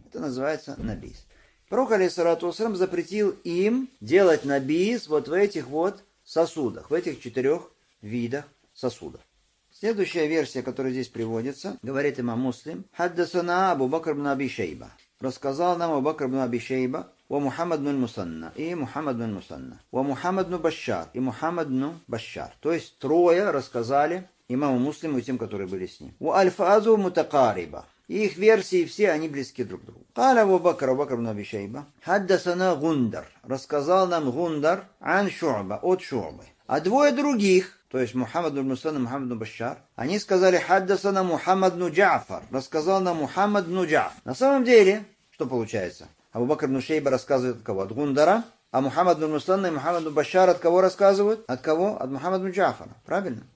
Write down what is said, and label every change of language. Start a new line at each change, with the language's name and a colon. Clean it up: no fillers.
Russian: Это называется набиз. Пророк, алейхиссалату вассалям, запретил им делать набиз вот в этих вот сосудах, в этих четырех видах сосудов. Следующая версия, которая здесь приводится, говорит имам Муслим.
Arabic: «Хаддасана Абу Бакр ибн Аби Шейба».
Russian: Рассказал нам Абу Бакр ибн Аби Шейба,
Arabic: ومحمد بن مسنة и محمد بن مسنة ومحمد بن بشار и محمد بن بشار.
Russian: То есть трое рассказали имаму Муслиму и тем, которые были с ним.
Arabic: وألفاظه متقاربة.
Russian: Их версии все, они близки друг к другу.
Arabic: قال أبو بكر وبكر بن أبي شيبة حدثنا غندر.
Russian: Рассказал нам Гундар
Arabic: عن شعبة,
Russian: от شعبة. А двое других, то есть Мухаммад ибн Мусанна, Мухаммад ибн Башар, они сказали
Arabic: хаддасана Мухаммад ибн Джафар.
Russian: Рассказал нам Мухаммад ибн Джафар. На самом деле, что получается? Абу Бакр ибн Шейба рассказывает от кого? От Гундара. А Мухаммад ибн Мусанна и Мухаммад ибн Башар от кого рассказывают? От кого? От Мухаммад ибн Джафара. Правильно?